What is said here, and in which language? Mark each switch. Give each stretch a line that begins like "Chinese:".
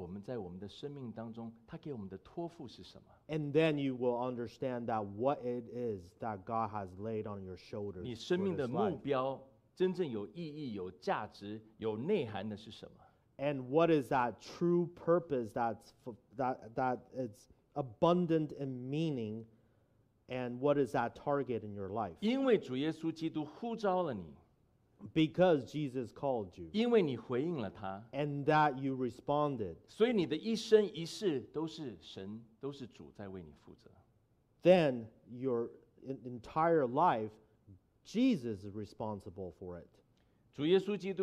Chinese: 然后我们才能够开始了解到神要我们在我们的生命当中，他给我们的托付是什么。
English: And then you will understand that what it is that God has laid on your shoulders.
Chinese: 你生命的目标真正有意义、有价值、有内涵的是什么？
English: And what is that true purpose that is abundant in meaning? And what is that target in your life?
Chinese: 因为主耶稣基督呼召了你。
English: Because Jesus called you.
Chinese: 因为你回应了他,
English: and that you responded.
Chinese: 所以你的一生一世都是神，都是主在为你负责。
English: Then your entire life, Jesus is responsible for it.